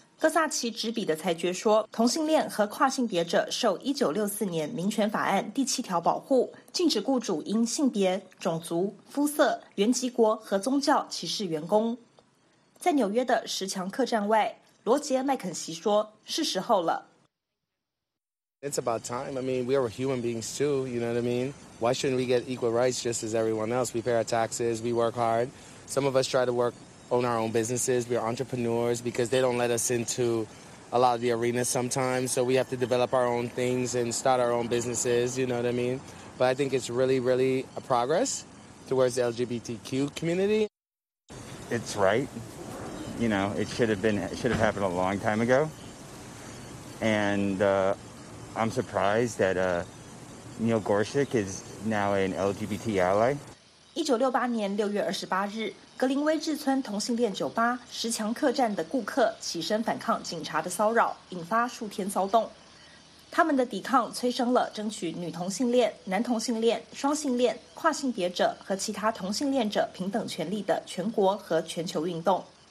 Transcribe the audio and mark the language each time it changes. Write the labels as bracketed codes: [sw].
[zh] 戈萨奇执笔的裁决说，同性恋和跨性别者受1964年民权法案第七条保护，禁止雇主因性别、种族、肤色、原籍国和宗教歧视员工。在纽约的十强客栈外，罗杰·麦肯锡说，是时候了。 [en] It's about time. I mean, we are human beings too, you know what I mean? Why shouldn't we get equal rights just as everyone else? We pay our taxes, we work hard. Some of us try to work own our own businesses. We are entrepreneurs because they don't let us into a lot of the arenas sometimes. So we have to develop our own things and start our own businesses, you know what I mean? But I think it's really, really a progress towards the LGBTQ community. It's right. You know, it should have happened a long time ago. And I'm surprised that Neil Gorsuch is now an LGBT ally. [zh] 1968年6月28日，格林威治村同性恋酒吧十强客栈的顾客起身反抗警察的骚扰，引发数天骚动。他们的抵抗催生了争取女同性恋、男同性恋、双性恋、跨性别者和其他同性恋者平等权利的全国和全球运动。